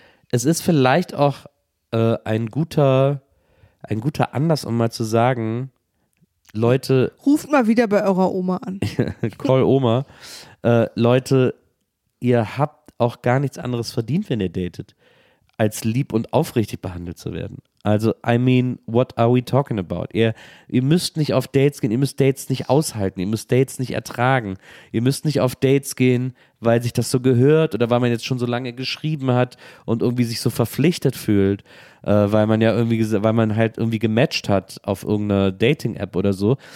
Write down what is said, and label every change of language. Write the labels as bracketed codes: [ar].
[de] Es ist vielleicht auch ein guter Anlass, um mal zu sagen, Leute... Ruft mal wieder bei eurer Oma an. [en] Call Oma. [de] Leute, ihr habt auch gar nichts anderes verdient, wenn ihr datet, als lieb und aufrichtig behandelt zu werden. [en] Also, I mean, what are we talking about? [de] Ihr müsst nicht auf Dates gehen, ihr müsst Dates nicht aushalten, ihr müsst Dates nicht ertragen. Ihr müsst nicht auf Dates gehen, weil sich das so gehört oder weil man jetzt schon so lange geschrieben hat und irgendwie sich so verpflichtet fühlt, weil man halt irgendwie gematcht hat auf irgendeiner Dating-App oder so.